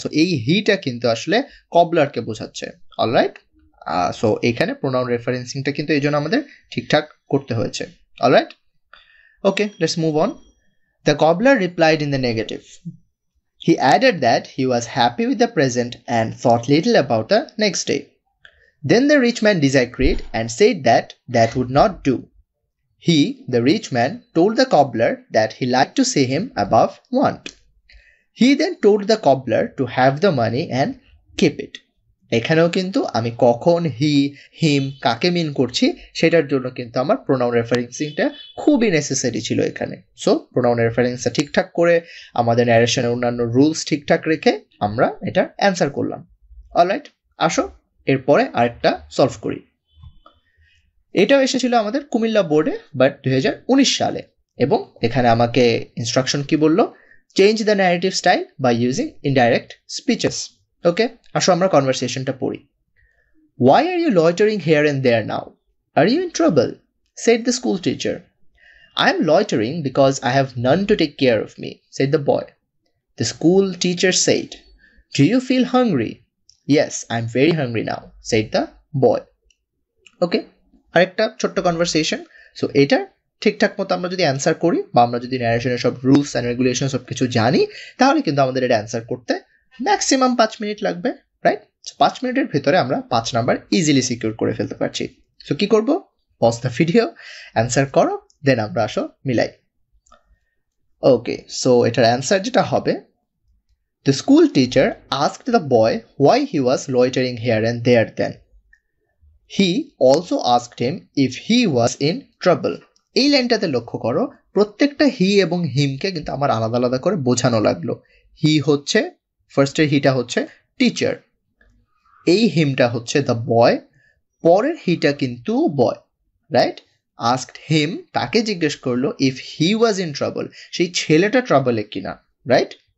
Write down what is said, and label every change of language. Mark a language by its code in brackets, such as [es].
[bn] So এই হিটা কিন্তু আসলে কবলারকে বোঝাচ্ছে, অল রাইট। সো এখানে প্রোনাউন রেফারেন্সিংটা কিন্তু এই জন্য আমাদের ঠিকঠাক করতে হয়েছে, all right. Okay, let's move on. [en] The cobbler replied in the negative, he added that he was happy with the present and thought little about the next day. Then the rich man disagreed and said that that would not do. He, the rich man, told the cobbler that he liked to see him above want. He then told the cobbler to have the money and keep it. [bn] এখানেও কিন্তু আমি কখন হি হিম কাকে মিন করছি সেটার জন্য কিন্তু আমার প্রোনাউন রেফারেন্সিংটা খুবই নেসেসারি ছিল এখানে। সো প্রোনাউন রেফারেন্সটা ঠিকঠাক করে, আমাদের ন্যারেশনের অন্যান্য রুলস ঠিকঠাক রেখে আমরা এটা অ্যান্সার করলাম, অল রাইট। আসো এরপরে আরেকটা সলভ করি। এটাও এসেছিল আমাদের কুমিল্লা বোর্ডে, বাট 2019 সালে, এবং এখানে আমাকে ইনস্ট্রাকশন কি বলল, change the narrative style by using indirect speeches. [en] Okay, আসো আমরা কনভারসেশনটা পড়ি। Why are you loitering here and there now, are you in trouble, said the school teacher. I am loitering because I have none to take care of me, said the boy. The school teacher said, do you feel hungry? Yes, I'm very hungry now, said the boy. [bn] Okay, আরেকটা ছোট্ট conversation. So এটার ঠিকঠাক মতো আমরা যদি answer করি, বা আমরা যদি ন্যারেশনের সব রুলস অ্যান্ড রেগুলেশন সব কিছু জানি, তাহলে কিন্তু আমাদের এটা অ্যান্সার করতে ম্যাক্সিমাম 5 মিনিট লাগবে, রাইট। পাঁচ মিনিটের ভিতরে আমরা 5 নাম্বার ইজিলি সিকিউর করে ফেলতে পারছি। সো কী করবো, পজ দ্য ভিডিও, অ্যান্সার করো, দেন আমরা আসো মিলাই। [en] Okay, so এটার answer যেটা হবে, The school teacher asked the boy why he was loitering here and there then. He also asked him if he was in trouble. [bn] এই লাইনটাতে লক্ষ্য করো, প্রত্যেকটা হি এবং হিমকে কিন্তু আমার আলাদা আলাদা করে বোঝানো লাগলো। হি হচ্ছে, ফার্স্টের হিটা হচ্ছে টিচার, এই হিমটা হচ্ছে দ্য বয়, পরের হিটা কিন্তু বয়, রাইট। আস্কড হিম, তাকে জিজ্ঞেস করলো if he was in trouble, সেই ছেলেটা ট্রাবলে কিনা, রাইট।